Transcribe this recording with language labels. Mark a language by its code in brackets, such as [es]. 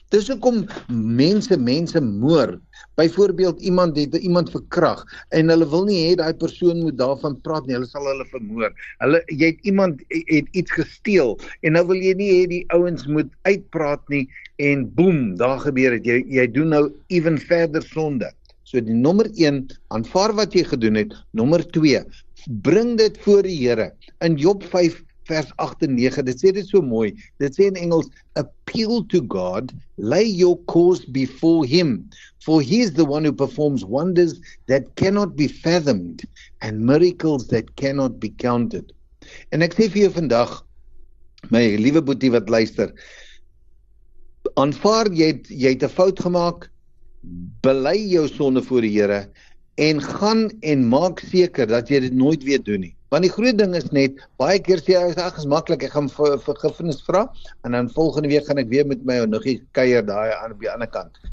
[af] Dis hoekom mense moord. Byvoorbeeld iemand het iemand verkrag en hulle wil nie hê daai persoon moet daarvan praat nie. Hulle sal hulle vermoor. Jy het iets gesteel en nou wil jy nie hê die ouens moet uitpraat nie en boem, daar gebeur het. Jy doen nou even verder sonde. So die nommer 1, aanvaar wat jy gedoen het. Nommer 2, bring dit voor die Here. In Job 5 vers 8 en 9, dit sê dit so mooi, dit sê in Engels, [en] appeal to God, lay your cause before him, for he is the one who performs wonders that cannot be fathomed, and miracles that cannot be counted. [af] En ek sê vir jou vandag, my liewe boetie wat luister, aanvaar jy het 'n fout gemaak, bely jou sonde voor die Here, en gaan en maak seker dat jy dit nooit weer doen nie. Want die groot ding is net, baie keer sê jy, ag, is maklik, ek gaan vergifnis vra, en dan volgende week gaan ek weer met my nuggie kuier daai aan op die ander kant.